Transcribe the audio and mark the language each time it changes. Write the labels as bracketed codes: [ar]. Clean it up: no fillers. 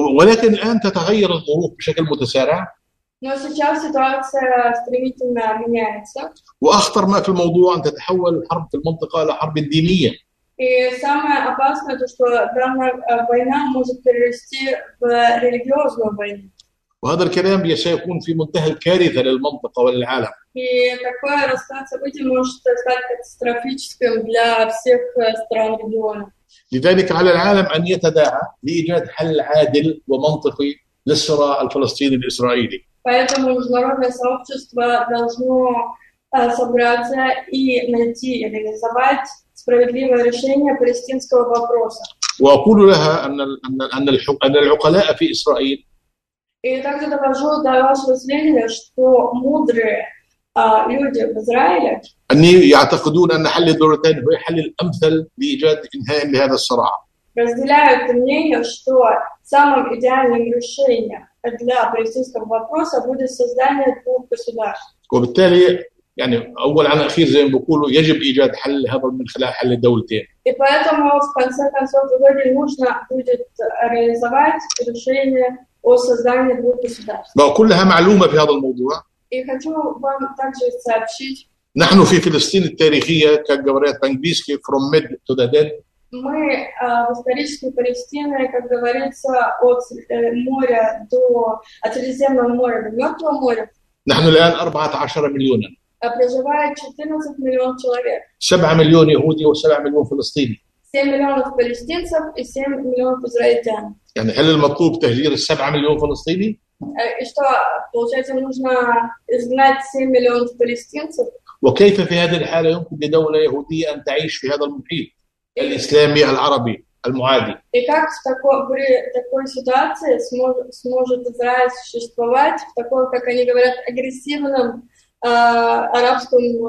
[ar] ولكن الآن تتغير الظروف بشكل متسارع. [ru] Но сейчас ситуация стремительно меняется. [ar] وأخطر ما في الموضوع أن تتحول الحرب في المنطقة إلى حرب دينية. [ru] И самое опасное то, что данная война может перерасти в религиозную войну. [ar] وهذا الكلام سيكون في منتهى الكارثة للمنطقة وللعالم. [ru] И такое расклад событий может стать катастрофическим для всех стран региона. [ar] لذلك على العالم أن يتداعى لإيجاد حل عادل ومنطقي للصراع الفلسطيني الإسرائيلي. [ru] Поэтому международное сообщество должно собраться и найти и реализовать справедливое решение палестинского вопроса. [ar] وأقول لها أن العقلاء في إسرائيل. [ru] И также довожу до вашего сведения, что мудрые люди в Израиле. Они [ar] يعتقدون أن حل الدولتين هو حل الأمثل لإيجاد إنهاء لهذا الصراع. [ru] Разделяют мнение, что самым идеальным решением для палестинского вопроса будет создание двух государств. [ar] وبالتالي يعني أول عن أخير زي ما بقولوا يجب إيجاد حل هذا من خلال حل الدولتين. [ru] И поэтому в конце концов нужно будет реализовать решение о создании двух государств. [ar] كلها معلومة في هذا الموضوع. [ru] И хочу вам также сообщить. [ar] نحن في فلسطين التاريخية [ru] как говорят по-английски [en] from mid to the dead. [ru] Мы в исторической Палестине, как говорится, от моря до от Средиземного моря до Мертвого моря. [ar] نحن الآن 14 مليون. [ru] Проживает 14 миллионов человек. 7 миллионов иудеев и 7 миллионов палестинцев. 7 миллионов палестинцев и 7 миллионов израильтян. [ar] يعني هل المطلوب تهجير 7 مليون فلسطيني؟ [ru] И что, получается, нужно изгнать 7 миллионов палестинцев? [ar] وكيف في هذه الحالة يمكن لدولة يهودية أن تعيش في هذا المحيط؟ الإسلامي العربي المعادي. [ru] И как в такой, ситуации сможет Израиль существовать в таком, как они говорят, агрессивном арабском